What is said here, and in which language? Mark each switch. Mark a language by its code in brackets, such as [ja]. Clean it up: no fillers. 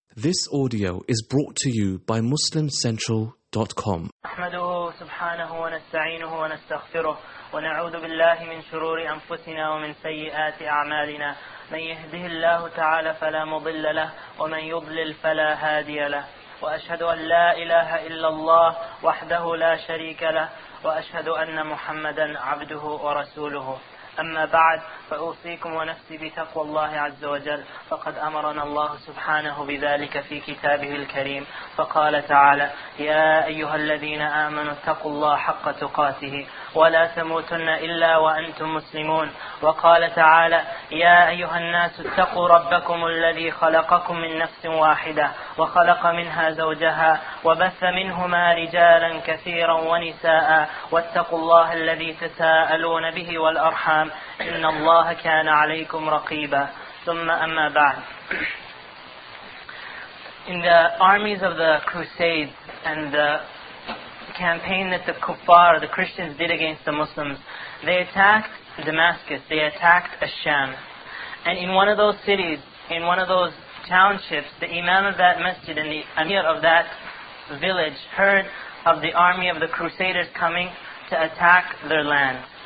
[en] This audio is brought to you by MuslimCentral.com. [ar] نحمده سبحانه ونستعينه ونستغفره ونعوذ بالله من شرور أنفسنا ومن سيئات أعمالنا. من يهده الله تعالى فلا مضل له ومن يضلل فلا هادي له. وأشهد أن لا إله إلا الله وحده لا شريك له وأشهد أن محمدا عبده ورسوله. أما بعد فأوصيكم ونفسي بتقوى الله عز وجل فقد أمرنا الله سبحانه بذلك في كتابه الكريم فقال تعالى يا أيها الذين آمنوا اتقوا الله حق تقاته ولا تموتن إلا وأنتم مسلمون وقال تعالى يا أيها الناس اتقوا ربكم الذي خلقكم من نفس واحدة وخلق منها زوجها وبث منهما رجالا كثيرا ونساء واتقوا الله الذي تساءلون به والأرحام إن الله كان عليكم رقيبا ثم أما بعد. [en] In the armies of the Crusades and the campaign that the Kuffar, the Christians, did against the Muslims, they attacked Damascus, they attacked Ash-Sham. And in one of those cities, in one of those townships, the Imam of that masjid and the Amir of that village heard of the army of the Crusaders coming to attack their land.